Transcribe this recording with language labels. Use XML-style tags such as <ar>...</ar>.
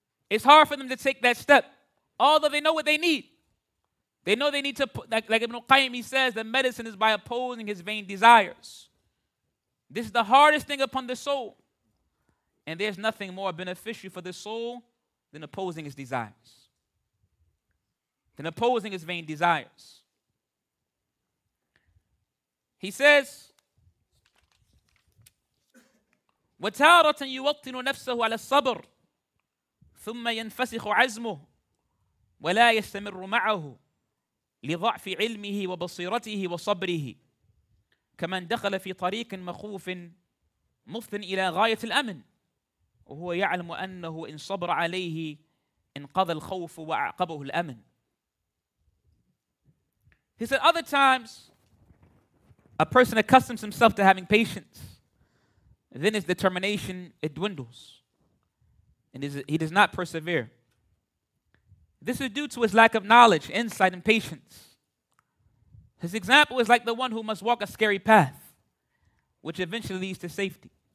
<en>It's hard for them to take that step. Although they know what they need. They know they need to, like Ibn Qayyim, he says, the medicine is by opposing his vain desires. This is the hardest thing upon the soul. And there's nothing more beneficial for the soul than opposing his desires. Than opposing his vain desires. He says,</en> <ar>وَتَارَةً يُوَطِّنُ نَفْسَهُ عَلَى الصَّبْرِ ثُمَّ يَنْفَسِخُ عَزْمُهُ وَلَا يَسْتَمِرُّ مَعَهُ لِضَعْفِ عِلْمِهِ وَبَصِيرَتِهِ وَصَبْرِهِ كَمَنْ دَخَلَ فِي طَرِيقٍ مَخُوفٍ مُفْتٍ إِلَى غَايَةِ الْأَمْنِ وَهُوَ يَعْلَمُ أَنَّهُ إِنْ صَبْرَ عَلَيْهِ إِنْقَضَى الْخَوْفُ وَأَعْقَبَهُ الْأَمْنِ.</ar> <en>He said, other times, a person accustoms himself to having patience. Then his determination, it dwindles. And he does not persevere. This is due to his lack of knowledge, insight, and patience. His example is like the one who must walk a scary path, which eventually leads to safety.</en>